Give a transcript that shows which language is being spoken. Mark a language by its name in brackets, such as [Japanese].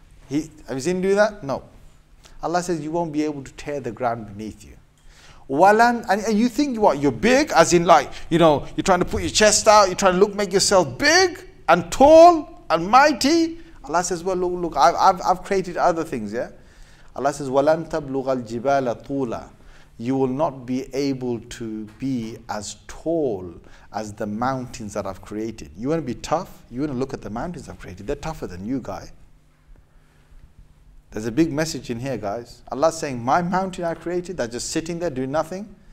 [English] Have you seen him do that? No. Allah says, you won't be able to tear the ground beneath you. And you think, what, you're big? As in, like, you know, you're trying to put your chest out, you're trying to look, make yourself big and tall and mighty. Allah says, well, look, I've created other things, yeah? Allah says, [Arabic] وَلَن تَبْلُغَ الْجِبَالَ طُولًا. [English] You will not be able to be as tall as the mountains that I've created. You want to be tough? You want to look at the mountains I've created? They're tougher than you, guy. There's a big message in here, guys. Allah's saying, my mountain I created, that's just sitting there doing nothing.